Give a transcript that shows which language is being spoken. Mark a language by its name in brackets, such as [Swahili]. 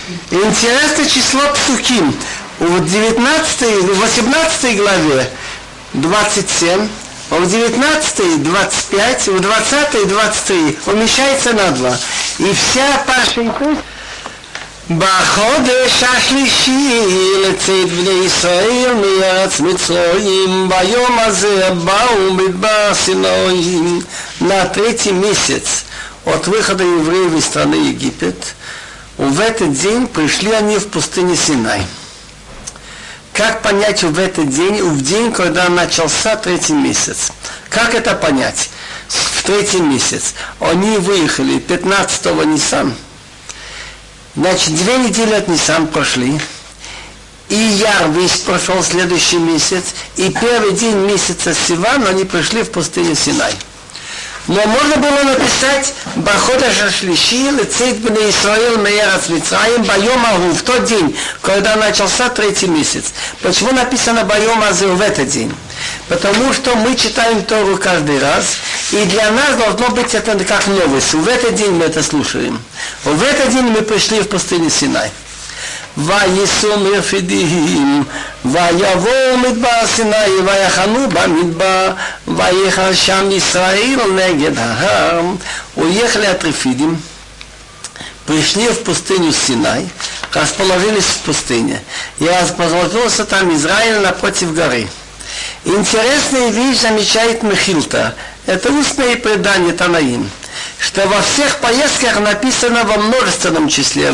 [Russian] Интересное число псуким. В 18 главе 27, а в 19-й 25, в 20-й 23 умещается на 2. И вся Пашенька. [Hebrew] בחודש השלישי לצאת בני ישראל מארץ מצרים ביום הזה באו מדבר סיני. [Russian] На третий месяц от выхода евреев из страны Египет в этот день пришли они в пустыне Синай. Как понять в этот день, в день, когда начался третий месяц? Как это понять? В третий месяц они выехали 15-го Нисан. Значит, две недели от Нисан прошли. И Яр весь прошел следующий месяц. И первый день месяца Сиван они пришли в пустыню Синай. Но можно было написать [Hebrew] «Бахода шашлиши лицит бне Исраил меярац Митраим байом агу» [Russian] в тот день, когда начался третий месяц. Почему написано [Hebrew] «Байом азы» [Russian] в этот день? Потому что мы читаем Тору каждый раз, и для нас должно быть это как новость. В этот день мы это слушаем. В этот день мы пришли в пустыню Синай. [Hebrew] וישו מרפידים, ויבואו מדבר סיני, ויחנו במדבר, ויחל שם ישראל נגד ההר. [Russian] Уехали от Рефидим, пришли в пустыню Синай, расположились в пустыне. И расположился там Израиль напротив горы. Интересная вещь замечает Мехилта. Это устное предание Танаим, что во всех поездках написано во множественном числе.